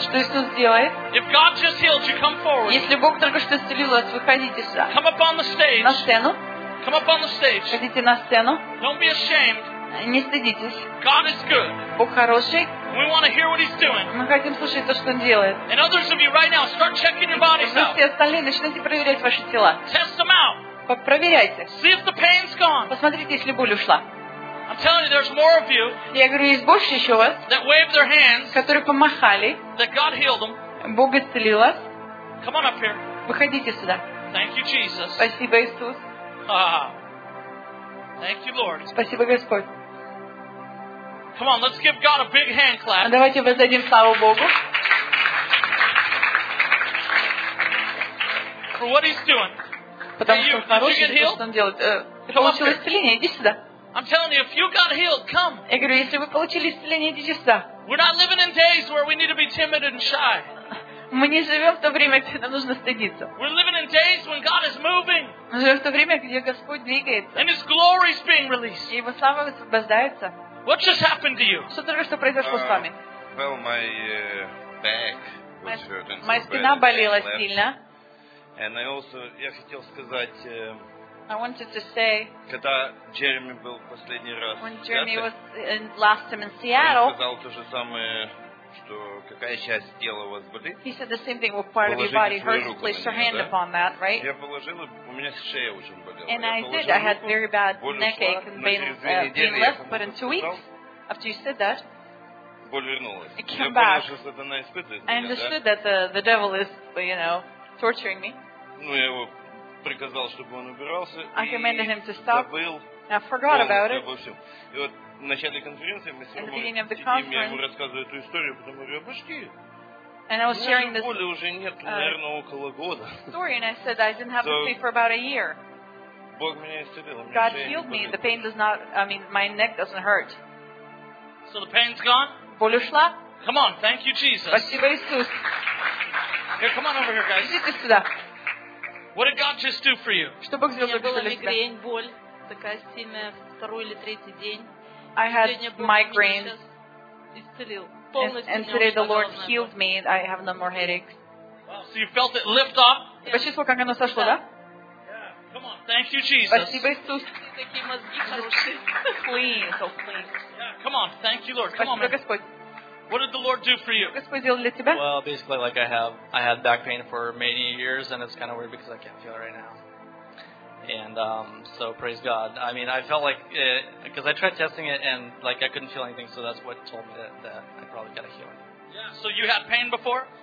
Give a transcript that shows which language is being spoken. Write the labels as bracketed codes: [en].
[ru] Что Иисус делает? [en] If God just healed you, come forward. [ru] Если Бог только что исцелил вас, выходите сюда. [en] Come up on the stage. [ru] На сцену. [en] Come up on the stage. [ru] Выходите на сцену. [en] Don't be ashamed. [ru] Не стыдитесь. [en] God is good. [ru] Бог хороший. [en] We want to hear what He's doing. [ru] Мы хотим слушать то, что Он делает. [en] And others of you right now, start checking your bodies out. [ru] Все остальные начинайте проверять ваши тела. [en] Test them out. [ru] Проверяйте. [en] See if the pain's gone. [ru] Посмотрите, если боль ушла. [en] I'm telling you, there's more of you. [ru] Я говорю, есть больше еще вас. [en] That waved their hands. [ru] Которые помахали. [en] That God healed them. [ru] Бог исцелил вас. [en] Come on up here. [ru] Выходите сюда. [en] Thank you, Jesus. [ru] Спасибо, Иисус. [en] Thank you, Lord. [ru] Спасибо, Господь. [en] Come on, let's give God a big hand clap. [ru] Давайте воздадим славу Богу. [en] For what He's doing. [ru] Потому что хорошее, что Он делает. Получил исцеление. Иди сюда. [en] I'm telling you, if you got healed, come. [ru] Я говорю, если вы получили исцеление, идите сюда. [en] We're not living in days where we need to be timid and shy. [ru] Мы не живем в то время, где нам нужно стыдиться. [en] We're living in days when God is moving. [ru] Мы живем в то время, где Господь двигается. [en] And His glory is being released. [ru] И Его слава высвобождается. [en] What just happened to you? [ru] Что только что произошло с вами? [en] Well, my back was hurting. [ru] Моя спина болела сильно. [en] And I also, [ru] я хотел сказать. [en] I wanted to say, [ru] когда Джереми был последний раз, [en] when Jeremy was in, last time in Seattle, [ru] он сказал то же самое, что какая часть тела у вас болит? [en] He said the same thing. What part of your body hurts? Place your hand upon that, right? [ru] Я положил, у меня шея очень болела. [en] And I did. I had very bad neckache and pain left, but in 2 weeks after you said that, [ru] боль вернулась. [en] It came back. [ru] Я понял, что сатана испытывает меня. [en] I understood that the devil is, you know, torturing me. [ru] Ну я его приказал, чтобы он убирался. [en] I commanded him to stop. [ru] Забыл. [en] I forgot about it. [ru] И вот в начале конференции мы с Ромой сидим, я ему рассказываю эту историю, потом говорю, обожди. [en] And I was sharing this. [ru] Боли уже нет, наверное, около года. [en] Story, and I said I didn't have to sleep for about a year. [ru] Бог меня исцелил. [en] God healed me. The pain does not. I mean, my neck doesn't hurt. So the pain's gone. [ru] Боль ушла. [en] Come on, thank you, Jesus. [ru] Спасибо, Иисус. [en] Here, come on over here, guys. [ru] Идите сюда. [en] What did God just do for you? [ru] Что Бог сделал для тебя? У меня была мигрень, боль такая сильная второй или третий день. [en] I had migraine. [ru] Исцелил. [en] And today the Lord healed me. I have no more headaches. Wow, so you felt it lift off? [ru] Почувствовал, как оно сошло, да? [en] Come on, thank you, Jesus. [ru] Спасибо, Иисус. Такие мозги хорошие. [en] Clean, so clean. Come on, thank you, Lord. Come on, [ru] Господь. [en] What did the Lord do for you? [ru] Господь сделал для тебя? [en] Well, basically, like I had back pain for many years, and it's kind of weird because I can't feel it right now. And so praise God. I mean, I felt like because I tried testing it and like I couldn't feel anything, so that's what told me that I probably got a healing. Yeah. So you had pain before?